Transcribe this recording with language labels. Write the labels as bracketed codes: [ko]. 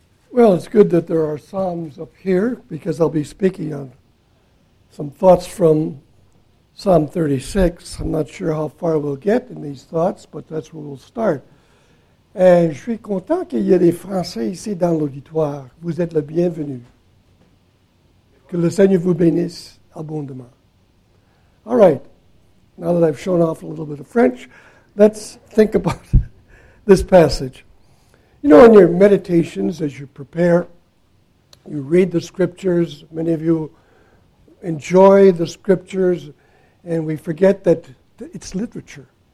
[en] Well, it's good that there are Psalms up here because I'll be speaking on some thoughts from Psalm 36. I'm not sure how far we'll get in these thoughts, but that's where we'll start. [fr] Et je suis content qu'il y ait des Français ici dans l'auditoire. Vous êtes le bienvenu. Que le Seigneur vous bénisse abondamment. [en] All right. Now that I've shown off a little bit of French, let's think about this passage. You know, in your meditations, as you prepare, you read the scriptures. Many of you enjoy the scriptures, and we forget that it's literature.